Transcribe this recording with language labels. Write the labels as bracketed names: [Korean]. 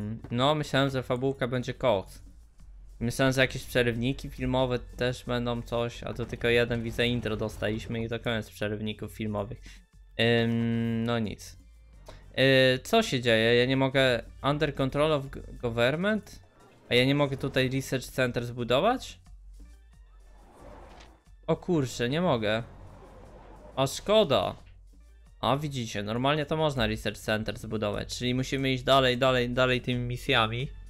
[Polish] No, myślałem, że fabułka będzie koc. Myślałem, że jakieś przerywniki filmowe też będą coś, a to tylko jeden widzę intro dostaliśmy i to koniec przerywników filmowych. No nic. Co się dzieje? Ja nie mogę... [English] Under control of government? [Polish] A ja nie mogę tutaj research center zbudować? O kurczę, nie mogę. A szkoda. A widzicie, normalnie to można research center zbudować. Czyli musimy iść dalej tymi misjami.